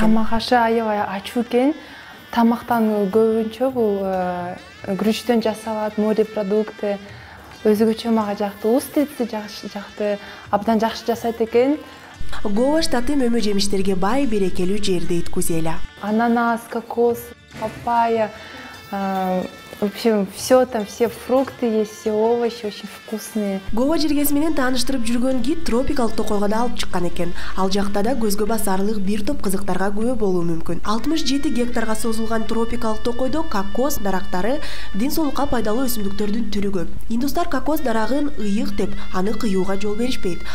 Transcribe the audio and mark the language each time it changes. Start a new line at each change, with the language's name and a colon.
Kyrgyz: Тамак ашы аябай ачуу экен. Тамактан көбүнчө бул күрүчтөн жасалат морепродукты. Өзгөчө мага жактуу, уст этси жакты, абдан жакшы жасайт экен. Гоа штаты мөмө жемиштерге бай берекелүү жер дейт Гүзеле.
Russian: Ананас, кокос, папайя, в общем, все там, все фрукты есть, все овощи очень вкусные.
Kyrgyz: Гоа жергеси менен тааныштырып жүргөн гид тропикалык токойго да алып чыккан экен. Ал жакта да көзгө басарлык бир топ кызыктарга күбө болуу мүмкүн. 67 гектарга созулган тропикалык токойдо кокос дарактары, ден соолукка пайдалуу өсүмдүктөрдүн түрү көп. Индустар кокос дарагын ыйык деп, аны кыюуга жол беришпейт.